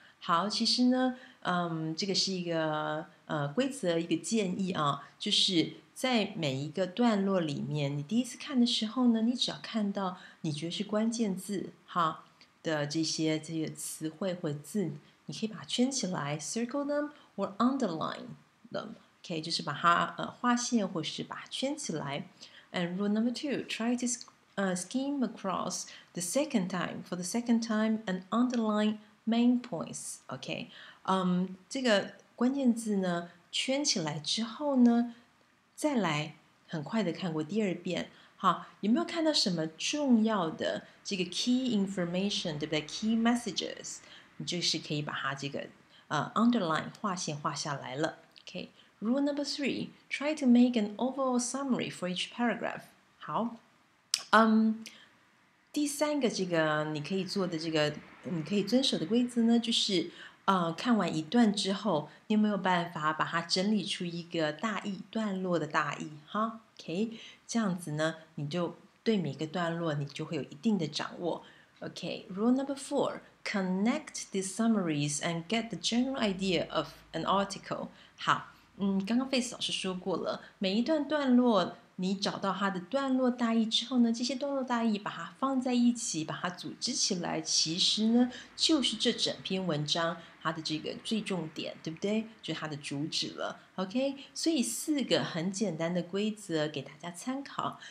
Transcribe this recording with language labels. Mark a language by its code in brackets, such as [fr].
[zh] 好，其实呢，这个是一个规则，一个建议啊，就是在每一个段落里面，你第一次看的时候呢，你只要看到你觉得是关键字哈的这些词汇或字，你可以把它圈起来 ， [en] circle them or underline them. [zh] Okay, 就是把它划线或是把它圈起来。 [en] And rule number two, try to skim across the second time, for the second time, and underline main points, okay? [zh] 这个关键字呢，圈起来之后呢，再来很快的看过第二遍。好，有没有看到什么重要的这个 key information, 对不对 ?key messages, 你就是可以把它这个underline, 划线划下来了 okay? [en] Rule number three, try to make an overall summary for each paragraph. [zh] 好、第三个这个你可以做的这个你可以遵守的规则呢就是、看完一段之后你有没有办法把它整理出一个大意段落的大意哈 OK, 这样子呢你就对每个段落你就会有一定的掌握。 [en] OK, rule number four, connect these summaries and get the general idea of an article. [zh] 好刚刚 Face 老师说过了，每一段段落你找到它的段落大意之后呢，这些段落大意把它放在一起，把它组织起来，其实呢就是这整篇文章它的这个最重点，对不对？就是它的主旨了。OK， 所以四个很简单的规则给大家参考。